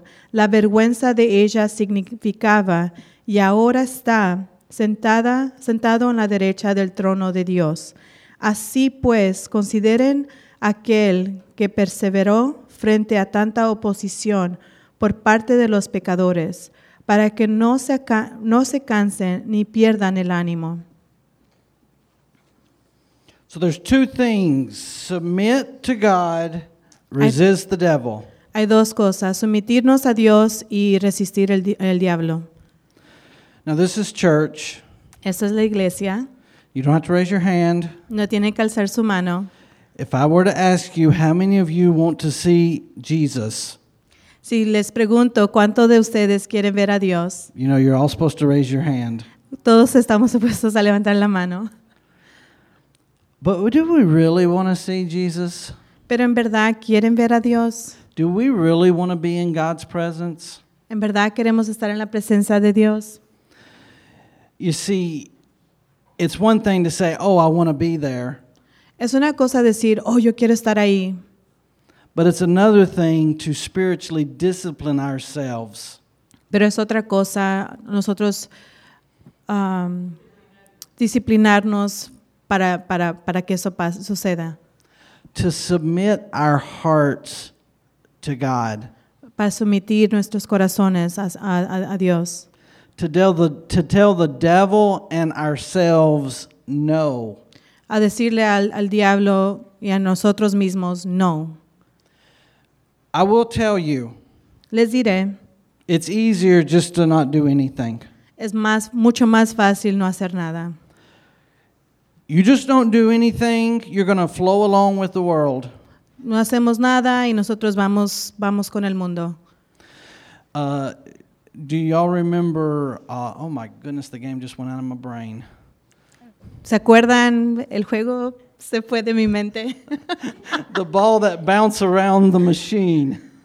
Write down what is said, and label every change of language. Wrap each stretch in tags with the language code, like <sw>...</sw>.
<es>la vergüenza de ella significaba, y ahora está sentado en la derecha del trono de Dios. Así pues, consideren aquel que perseveró frente a tanta oposición por parte de los pecadores, para que no se cansen ni pierdan el ánimo.</es> <en>So there's two things: submit to God, resist the devil.</en> <es>Hay dos cosas: sumitirnos a Dios y resistir el diablo.</es> <en>Now this is church.</en> <es>Esta es la iglesia.</es> <en>You don't have to raise your hand.</en> <es>No tiene que alzar su mano.</es> <en>If I were to ask you how many of you want to see Jesus.</en> <es>Si les pregunto cuánto de ustedes quieren ver a Dios.</es> <en>You know, you're all supposed to raise your hand.</en> <es>Todos estamos supuestos a levantar la mano.</es> <en>But do we really want to see Jesus?</en> <es>Pero en verdad quieren ver a Dios.</es> <en>Do we really want to be in God's presence?</en> <es>En verdad queremos estar en la presencia de Dios.</es> <en>You see, it's one thing to say, oh, I want to be there.</en> <es>Es una cosa decir, oh, yo quiero estar ahí.</es> <en>But it's another thing to spiritually discipline ourselves.</en> <es>Pero es otra cosa nosotros disciplinarnos para que eso suceda.</es> <en>To submit our hearts to God.</en> <es>Para sumitir nuestros corazones a Dios.</es> <en>To tell the devil and ourselves no.</en> <es>A decirle al diablo y a nosotros mismos no.</es> <en>I will tell you.</en> <es>Les diré.</es> <en>It's easier just to not do anything.</en> <es>Es más, mucho más fácil no hacer nada.</es> <en>You just don't do anything, you're going to flow along with the world.</en> <es>No hacemos nada y nosotros vamos con el mundo.</es> <en>Do y'all remember, oh my goodness, the game just went out of my brain.</en> <es>¿Se acuerdan el juego? Se fue de mi mente.</es> <en>The ball that bounced around the machine.</en>